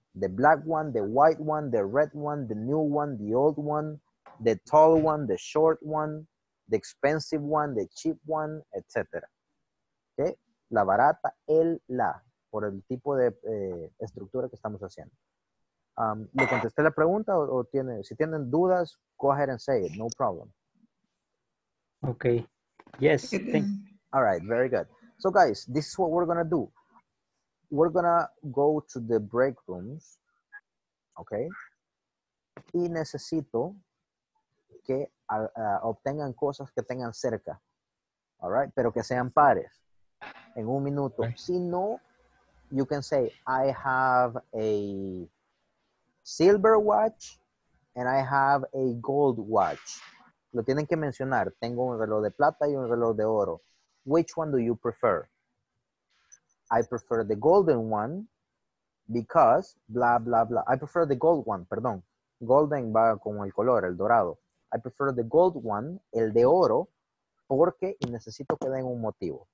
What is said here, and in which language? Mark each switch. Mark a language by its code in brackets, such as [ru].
[en] The black one, the white one, the red one, the new one, the old one, the tall one, the short one, the expensive one, the cheap one, etc. Okay? [es] La barata, el, la, por el tipo de estructura que estamos haciendo. ¿Le contesté la pregunta o tiene, si tienen dudas, [en] go ahead and say it, no problem. Okay. Yes. Thank you. All right, very good. So guys, this is what we're going to do. We're going to go to the break rooms, okay? [es] Y necesito que obtengan cosas que tengan cerca, all right? Pero que sean pares en un minuto. Okay. [en] Si no, you can say, I have a silver watch and I have a gold watch. [es] Lo tienen que mencionar. Tengo un reloj de plata y un reloj de oro. [en] Which one do you prefer? I prefer the golden one because blah, blah, blah. I prefer the gold one, [es] perdón. Golden va con el color, el dorado. [en] I prefer the gold one, [es] el de oro, porque necesito que den un motivo.